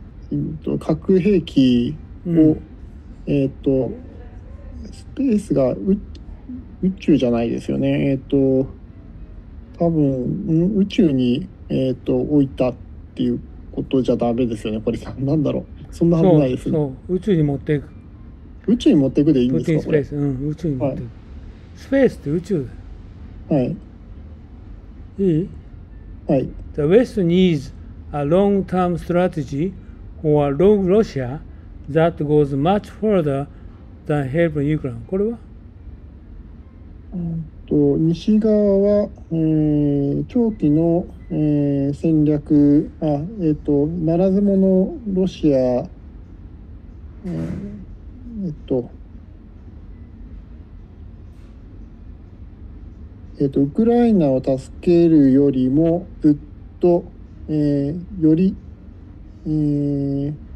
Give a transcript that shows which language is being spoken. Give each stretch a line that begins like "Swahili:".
Japanese: うん、核兵器を、うん、スペースが宇宙じゃないですよね、多分宇宙に、置いたっていうことじゃダメですよね。これさ、なんだろう、そんなはずないですよ。そう、宇宙に持っていく。宇宙に持っていくでいいんですか、スペース、うん、宇宙に持っていく、はい、スペースって宇宙だよ。はい、いい、はい。
English: The West needs a long-term strategy for a rogue Russia that goes much further than helping Ukraine。
Japanese: これは西側は、長期の、戦略、ならず者ロシア、ウクライナを助けるよりもずっと、より、よ